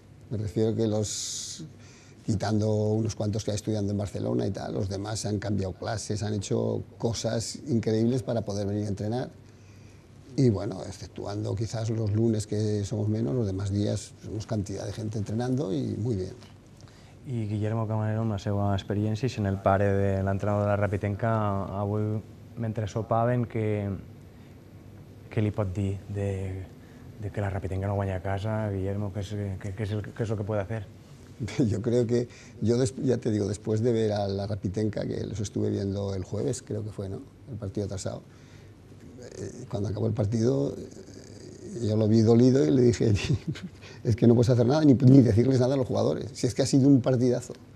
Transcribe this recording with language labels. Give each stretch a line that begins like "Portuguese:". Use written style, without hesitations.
Spanish: Me refiero que los... Quitando unos cuantos que ha estudiado en Barcelona y tal, los demás se han cambiado clases, han hecho cosas increíbles para poder venir a entrenar. Y bueno, exceptuando quizás los lunes que somos menos, los demás días somos cantidad de gente entrenando y muy bien.
Catalan: I Guillermo Camarero, amb la seva experiència i sent el pare de l'entrenador de la Rapitenca, avui, mentre sopaven, què li pot dir de que la Rapitenca no guanya a casa? Guillermo, què és el que pot fer?
Spanish: Yo creo que, ya te digo, después de ver a la Rapitenca, que los estuve viendo el jueves, creo que fue, ¿no?, el partido atrasado, cuando acabó el partido, yo lo vi dolido y le dije, es que no puedes hacer nada, ni decirles nada a los jugadores, si es que ha sido un partidazo.